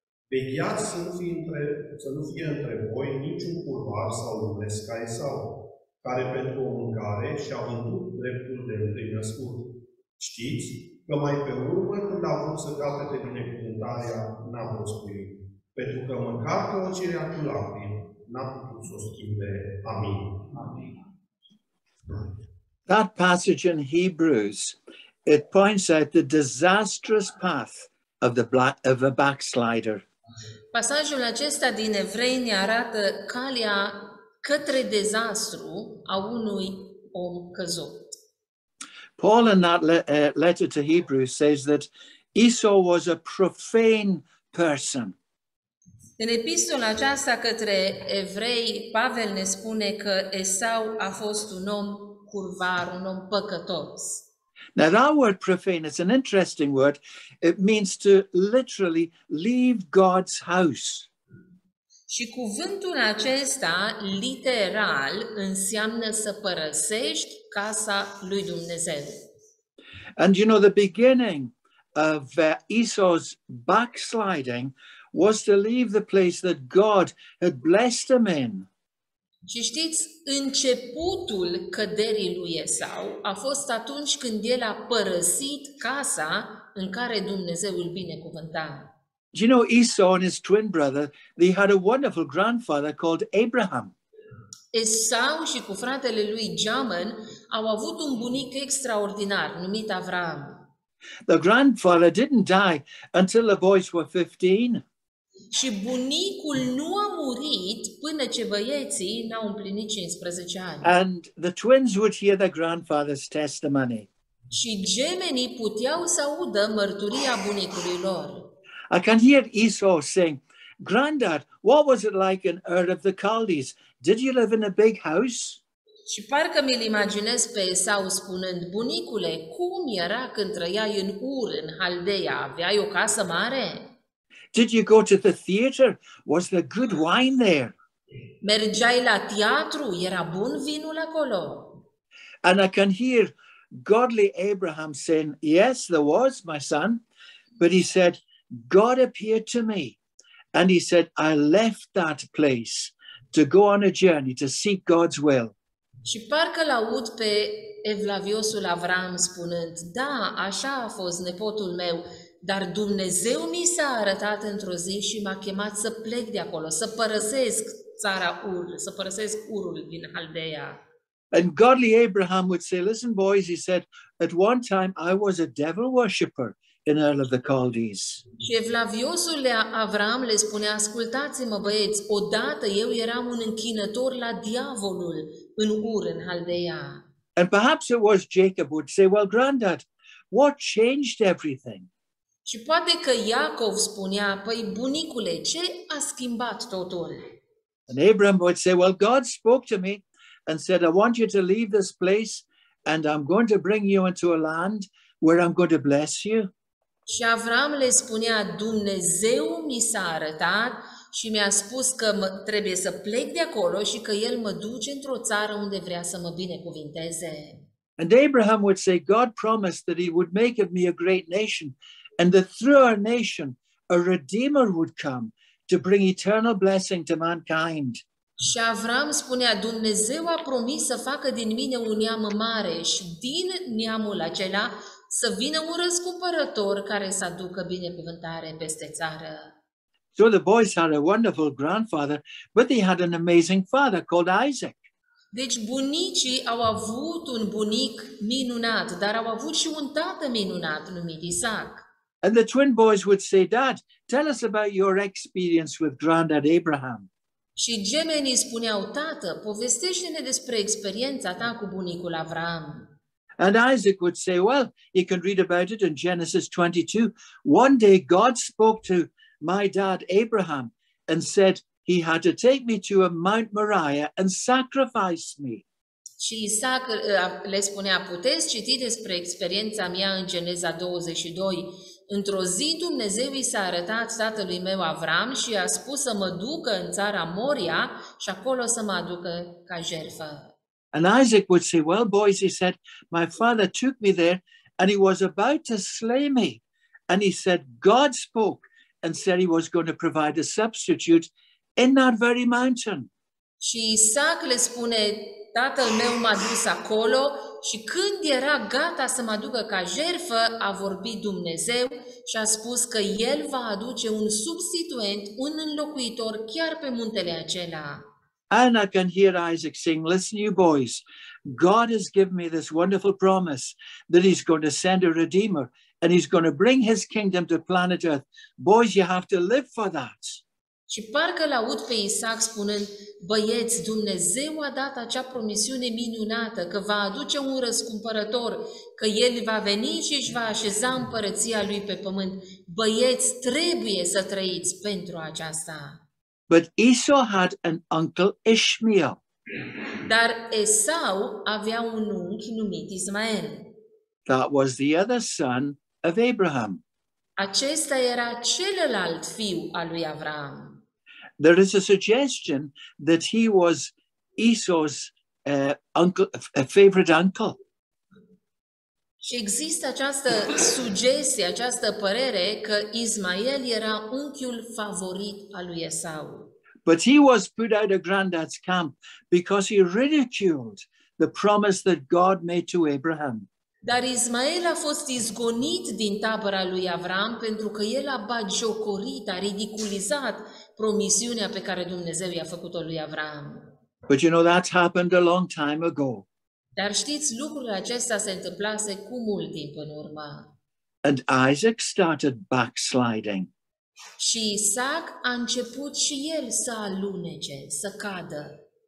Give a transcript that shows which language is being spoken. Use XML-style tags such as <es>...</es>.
<ro>Vegheați să nu fie între voi niciun curvar sau lumesc ca Esau, care pentru o mâncare și-a vândut dreptul de întâi născut. Știți că mai pe urmă, când a vrut să capete binecuvântarea, n-a fost primit, pentru că mâncat pe o cerea cu lacrimi, n-a putut să o schimbe. Amin. Amin.</ro> <en>That passage in Hebrews, it points out the disastrous path of a backslider.</en> <ro>Pasajul acesta din Evrei ne arată calea către dezastru a unui om căzut.</ro> <en>Paul in that letter to Hebrews says that Esau was a profane person.</en> <ro>În epistola aceasta către evrei, Pavel ne spune că Esau a fost un om curvar, un om păcătos.</ro> <en>Now that word profane is an interesting word. It means to literally leave God's house.</en> <ro>Și cuvântul acesta literal înseamnă să părăsești casa lui Dumnezeu.</ro> <en>And you know, the beginning of Esau's backsliding was to leave the place that God had blessed him in.</en> <ro>Și știți, începutul căderii lui Esau a fost atunci când el a părăsit casa în care Dumnezeu îl binecuvânta.</ro> <en>You know, Esau and his twin brother, they had a wonderful grandfather called Abraham.</en> <ro>Esau și cu fratele lui Jamon au avut un bunic extraordinar numit Avraam.</ro> <en>The grandfather didn't die until the boys were 15.</en> <ro>Și bunicul nu a murit până ce băieții n-au împlinit 15 ani.</ro> <en>And the twins would hear the grandfather's testimony.</en> <ro>Și gemenii puteau să audă mărturia bunicului lor.</ro> <en>I can hear Esau saying, "Granddad, what was it like in Ur of the Chaldees? Did you live in a big house?"</en> <ro>Și parcă mi-l imaginez pe Esau spunând, "Bunicule, cum era când trăiai în Ur, în Haldeea? Aveai o casă mare?"</ro> <en>Did you go to the theater? Was there good wine there?</en> <ro>Mergeai la teatru? Era bun vinul acolo?</ro> <en>And I can hear godly Abraham saying, "Yes, there was, my son." But he said, "God appeared to me, and he said, I left that place to go on a journey to seek God's will."</en> <ro>Și parcă l-aud pe evlaviosul Avraam spunând, "Da, așa a fost nepotul meu. Dar Dumnezeu mi s-a arătat într-o zi și m-a chemat să plec de acolo, să părăsesc țara Ur, să părăsesc Urul din Haldeea."</ro> <en>And godly Abraham would say, "Listen, boys," he said, "at one time I was a devil worshipper in Ur of the Chaldees."</en> <ro>Și evlaviosul Avraam le spune, "Ascultați-mă, băieți, odată eu eram un închinător la diavolul în Ur, în Haldeea."</ro> <en>And perhaps it was Jacob would say, "Well, granddad, what changed everything?"</en> <ro>Și poate că Iacov spunea, "Păi bunicule, ce a schimbat totul?"</ro> <en>And Abraham would say, "Well, God spoke to me and said, I want you to leave this place and I'm going to bring you into a land where I'm going to bless you."</en> <ro>Și Avraam le spunea, "Dumnezeu mi s-a arătat și mi-a spus că trebuie să plec de acolo și că el mă duce într-o țară unde vrea să mă binecuvinteze."</ro> <en>And Abraham would say, "God promised that he would make of me a great nation. And that through our nation, a Redeemer would come to bring eternal blessing to mankind."</en> <ro>Și Avraam spunea, "Dumnezeu a promis să facă din mine un neam mare și din neamul acela să vină un răscumpărător care să aducă binecuvântare peste țară."</ro> <en>So the boys had a wonderful grandfather, but they had an amazing father called Isaac.</en> <ro>Deci bunicii au avut un bunic minunat, dar au avut și un tată minunat numit Isaac.</ro> <en>And the twin boys would say, "Dad, tell us about your experience with Grandad Abraham."</en> <ro>Și gemenii spuneau, "Tată, povestește-ne despre experiența ta cu bunicul Avraam."</ro> <en>And Isaac would say, "Well, you can read about it in Genesis 22. One day God spoke to my dad Abraham and said he had to take me to a Mount Moriah and sacrifice me."</en> <ro>Și Isaac le spunea, "Puteți citi despre experiența mea în Geneza 22. Într-o zi Dumnezeu i s-a arătat tatălui meu Avraam și i-a spus să mă ducă în țara Moria și acolo să mă aducă ca jertfă."</ro> <en>And Isaac would say, "Well, boys," he said, "my father took me there and he was about to slay me. And he said, God spoke and said he was going to provide a substitute in that very mountain."</en> <ro>Și Isaac le spune, "Tatăl meu m-a dus acolo și când era gata să mă aducă ca jertfă, a vorbit Dumnezeu și a spus că el va aduce un substituent, un înlocuitor chiar pe muntele acela."</ro> <en>And I can hear Isaac saying, "Listen, you boys, God has given me this wonderful promise that he's going to send a Redeemer and he's going to bring his kingdom to planet Earth. Boys, you have to live for that."</en> <ro>Și parcă l-aud pe Isaac spunând: băieți, Dumnezeu a dat acea promisiune minunată că va aduce un răscumpărător, că el va veni și își va așeza împărăția lui pe pământ. Băieți, trebuie să trăiți pentru aceasta.</ro> <en>But Esau had an uncle Ishmael.</en> <ro>Dar Esau avea un unchi numit Ismael.</ro> <en>That was the other son of Abraham.</en> <ro>Acesta era celălalt fiu al lui Avraam.</ro> <en>There is a suggestion that he was Esau's uncle, a favorite uncle.</en> <ro>Și există această sugestie, această părere că Ismael era unchiul favorit al lui Esau.</ro> <en>But he was put out of granddad's camp because he ridiculed the promise that God made to Abraham.</en> <ro>Dar Ismael a fost izgonit din tabăra lui Avraam pentru că el a batjocorit, a ridiculizat promisiunea pe care Dumnezeu i-a făcut-o lui Avraam.</ro> <en>But you know, that happened a long time ago.</en> <ro>Dar știți, lucrul acesta se întâmplase cu mult timp în urmă.</ro> <en>And Isaac started backsliding.</en> <ro>Și Isaac a început și el să alunece, să cadă.</ro>